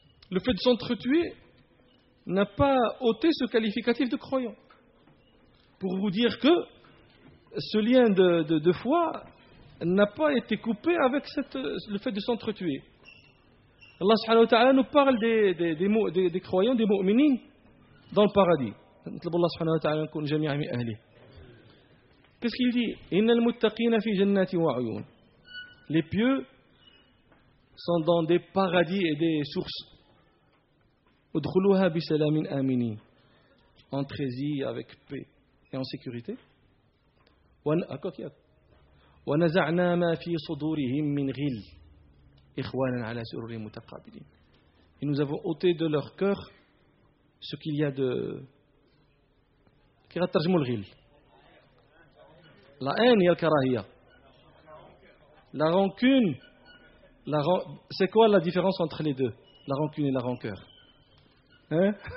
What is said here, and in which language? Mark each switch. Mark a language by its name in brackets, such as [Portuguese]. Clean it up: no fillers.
[French] Le fait de s'entretuer n'a pas ôté ce qualificatif de croyant. Pour vous dire que ce lien de foi n'a pas été coupé avec le fait de s'entretuer. Allah subhanahu wa ta'ala nous parle des croyants, des mu'minines, dans le paradis. [Arabic] نطلب الله سبحانه وتعالى نكون جميعا من اهله. [French] Qu'est-ce qu'il dit? [Arabic] إن المتقين في جنات وعيون. [French] Les pieux sont dans des paradis et des sources. [Arabic] ادخلوها بسلام آمنين. [French] Entrez-y avec paix et en sécurité. [Arabic] ونزعنا ما في صدورهم من غل إخوانا على سرر متقابلين. [French] Et nous avons ôté de leur cœur ce qu'il y a de... Qu'est-ce que c'est le ghil? La haine et le karahia. La rancune. C'est quoi la différence entre les deux? La rancune et la rancœur. Hein?